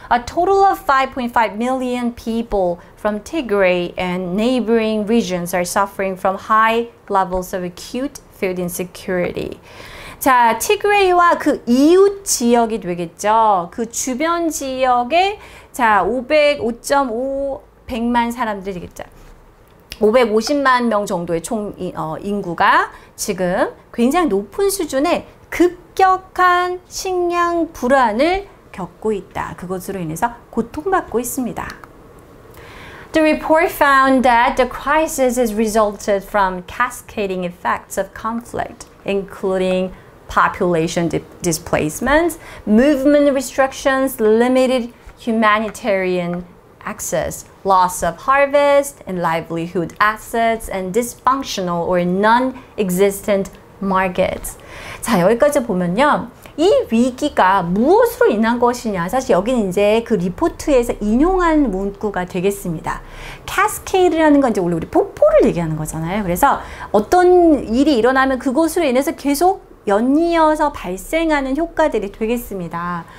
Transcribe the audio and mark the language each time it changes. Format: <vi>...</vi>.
<en>A total of 5.5 million people from Tigray and neighboring regions are suffering from high levels of acute food insecurity.</en> <ko>자, 티그레이와 그 이웃 지역이 되겠죠. 그 주변 지역에 자, 505.5만 사람들이 되겠죠. 550만 명 정도의 총 인구가 지금 굉장히 높은 수준의 급격한 식량 불안을 겪고 있다. 그것으로 인해서 고통받고 있습니다.</ko> <en>The report found that the crisis has resulted from cascading effects of conflict, including population displacements, movement restrictions, limited humanitarian access, loss of harvest and livelihood assets, and dysfunctional or non-existent markets.</en> <ko>자, 여기까지 보면요. 이 위기가 무엇으로 인한 것이냐. 사실 여기는 이제 그 리포트에서 인용한 문구가 되겠습니다. Cascade라는 건 이제 원래 우리 폭포를 얘기하는 거잖아요. 그래서 어떤 일이 일어나면 그곳으로 인해서 계속 연이어서 발생하는 효과들이 되겠습니다.</ko>